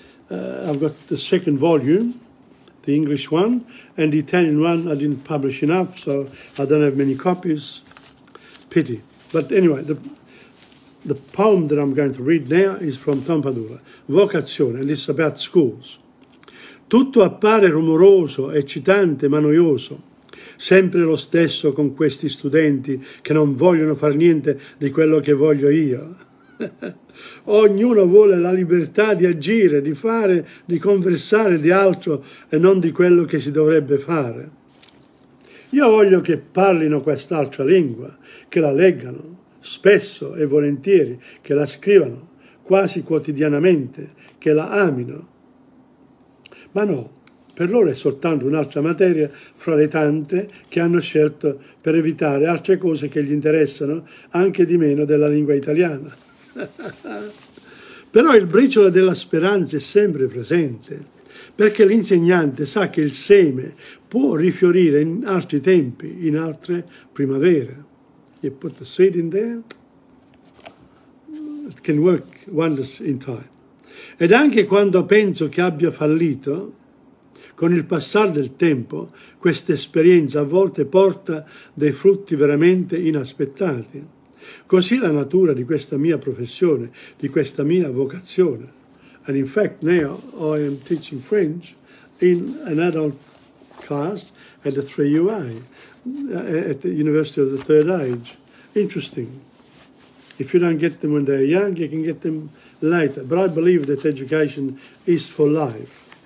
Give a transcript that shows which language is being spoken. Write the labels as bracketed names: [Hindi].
[English] I've got the second volume, the English one, and the Italian one. I didn't publish enough, so I don't have many copies. Pity. But anyway, the poem that I'm going to read now is from TomPadula, Vocazione, and it's about schools. [Italian] Tutto appare rumoroso, eccitante, ma noioso. Sempre lo stesso con questi studenti che non vogliono far niente di quello che voglio io. Ognuno vuole la libertà di agire, di fare, di conversare di altro e non di quello che si dovrebbe fare. Io voglio che parlino quest'altra lingua, che la leggano spesso e volentieri, che la scrivano quasi quotidianamente, che la amino. Ma no, per loro è soltanto un'altra materia fra le tante che hanno scelto per evitare altre cose che gli interessano anche di meno della lingua italiana. Però il briciolo della speranza è sempre presente, perché l'insegnante sa che il seme può rifiorire in altri tempi, in altre primavere. [English] You put the seed in there, it can work wonders in time. [Italian] Ed anche quando penso che abbia fallito, con il passare del tempo, questa esperienza a volte porta dei frutti veramente inaspettati. Così la natura di questa mia professione, di questa mia vocazione. [English] And in fact, now I am teaching French in an adult class at the 3UA, at the University of the Third Age. Interesting. If you don't get them when they're young, you can get them later. But I believe that education is for life.